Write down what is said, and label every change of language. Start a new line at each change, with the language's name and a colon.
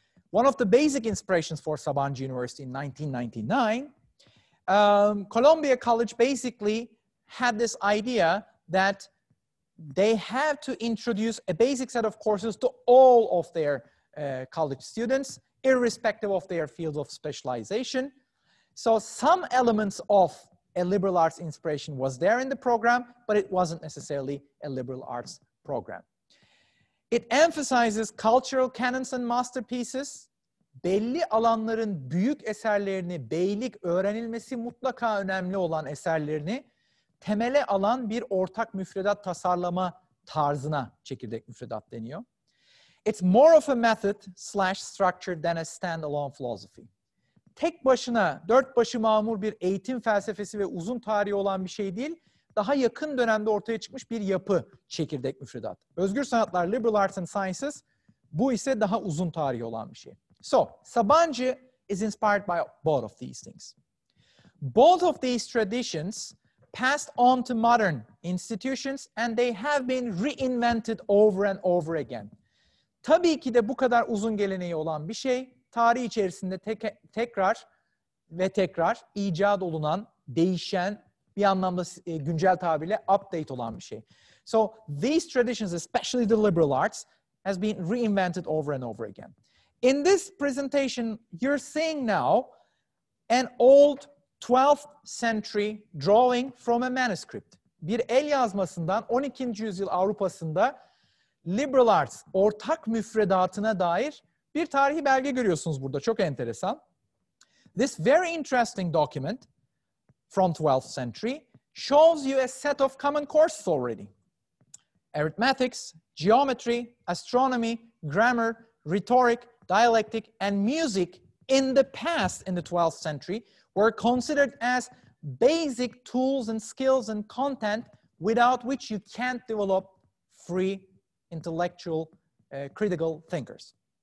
English: One of the basic inspirations for Sabancı University in 1999, Columbia College basically had this idea that they have to introduce a basic set of courses to all of their college students, irrespective of their field of specialization. So some elements of a liberal arts inspiration was there in the program, but it wasn't necessarily a liberal arts program. It emphasizes cultural canons and masterpieces.
Turkish: Belli alanların büyük eserlerini, beylik öğrenilmesi mutlaka önemli olan eserlerini temele alan bir ortak müfredat tasarlama tarzına çekirdek müfredat deniyor.
English: It's more of a method slash structure than a standalone philosophy.
Turkish: Tek başına dört başı mamur bir eğitim felsefesi ve uzun tarihi olan bir şey değil, daha yakın dönemde ortaya çıkmış bir yapı çekirdek müfredat. Özgür sanatlar, liberal arts and sciences, bu ise daha uzun tarihi olan bir şey.
English: So, Sabancı is inspired by both of these things. Both of these traditions passed on to modern institutions and they have been reinvented over and over again.
Turkish: Tabii ki de bu kadar uzun geleneği olan bir şey, tarih içerisinde tekrar ve tekrar icat olunan, değişen, bir anlamda güncel tabirle update olan bir şey.
English: So these traditions, especially the liberal arts, has been reinvented over and over again. In this presentation, you're seeing now an old 12th century drawing from a manuscript.
Turkish: Bir el yazmasından 12. yüzyıl Avrupa'sında liberal arts, ortak müfredatına dair bir tarihi belge görüyorsunuz burada. Çok enteresan.
English: This very interesting document from 12th century shows you a set of common courses already. Arithmetic, geometry, astronomy, grammar, rhetoric, dialectic, and music in the past in the 12th century were considered as basic tools and skills and content without which you can't develop free intellectual critical thinkers.